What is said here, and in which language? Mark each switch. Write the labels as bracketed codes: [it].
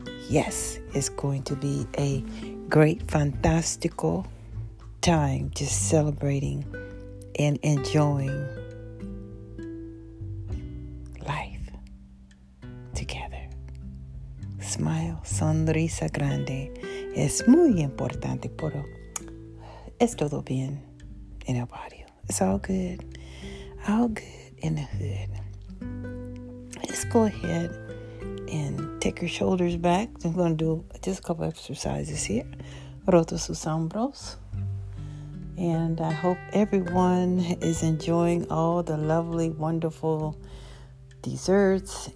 [en] Yes, it's going to be a great, fantastical time just celebrating and enjoying life together. Smile, [es] sonrisa grande. Es muy importante, pero es todo bien en el barrio. [en] It's all good. All good in the hood. Let's go ahead and take your shoulders back. I'm going to do just a couple exercises here. [es] Roto sus hombros. [en] And I hope everyone is enjoying all the lovely, wonderful desserts.